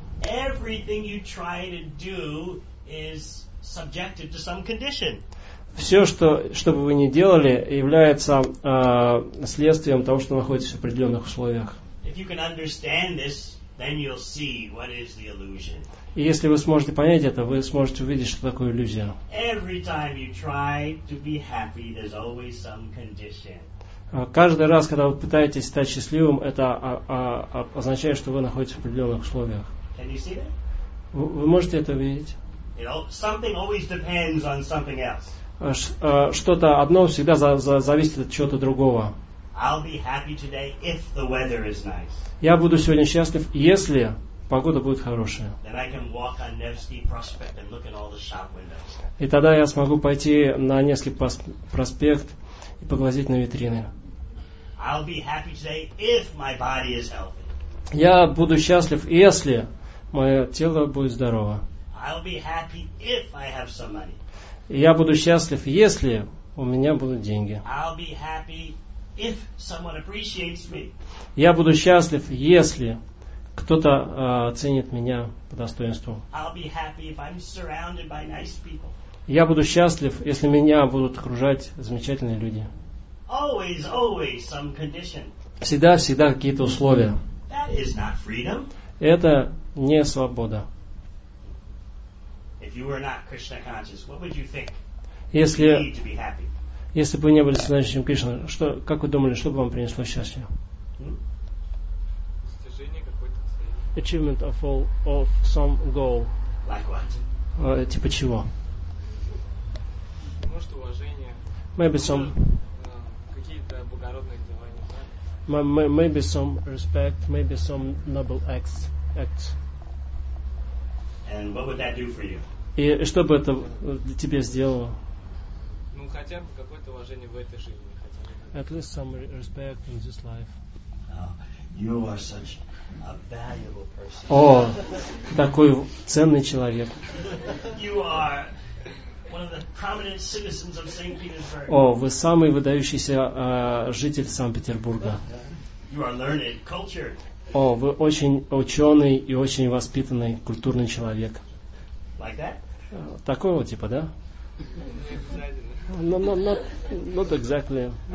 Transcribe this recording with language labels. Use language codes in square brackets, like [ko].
[en] Everything you try to do is subjected to some condition. [ru] Все, что бы вы ни делали, является следствием того, что находится в определенных условиях. [en] If you can understand this, then you'll see what is the illusion. [ru] И если вы сможете понять это, вы сможете увидеть, что такое иллюзия. [en] Every time you try to be happy, there's always some condition. [ru] Каждый раз, когда вы пытаетесь стать счастливым, это означает, что вы находитесь в определенных условиях. [en] Can you see that? [ru] Вы можете это видеть? [en] You know, something always depends on something else. [ru] Что-то одно всегда зависит от чего-то другого. [en] I'll be happy today if the weather is nice. [ru] Я буду сегодня счастлив, если погода будет хорошая. [en] Then I can walk on Nevsky Prospect and look at all the shop windows. [ru] И тогда я смогу пойти на Невский проспект и поглазеть на витрины. [en] I'll be happy today if my body is healthy. [ru] Я буду счастлив, если мое тело будет здорово. [en] I'll be happy if I have some money. [ru] Я буду счастлив, если у меня будут деньги. [en] I'll be happy if someone appreciates me. [ru] Я буду счастлив, если кто-то ценит меня по достоинству. [en] I'll be happy if I'm surrounded by nice people. [ru] Я буду счастлив, если меня будут окружать замечательные люди. [en] Always, always some condition. [ru] Всегда, всегда какие-то условия. [en] That is not freedom. [ru] Это не свобода. [en] If you were not Krishna conscious, what would you think? [ru] Если [en] you need to be happy? [ru] Если бы вы не были сознающим Кришной, что, как вы думали, что бы вам принесло счастье? [en] Achievement of some goal. Like what? [ru] Типа чего? Может, уважение. [en] Maybe some. [ru] Какие-то благородные дела, не знаю. [en] Maybe some respect, maybe some noble acts. And what would that do for you? [ru] И что бы это для тебя сделало? Ну, хотя бы какое-то уважение в этой жизни. [en] At least some respect in this life. You are such a valuable person. [ru] О, такой ценный человек. [en] You are one of the prominent citizens of St. Petersburg. [ru] О, вы самый выдающийся житель Санкт-Петербурга. [en] You are learned, cultured. [ru] О, вы очень ученый и очень воспитанный культурный человек. [en] Like that? [ru] Такого типа, да? [en] Not exactly.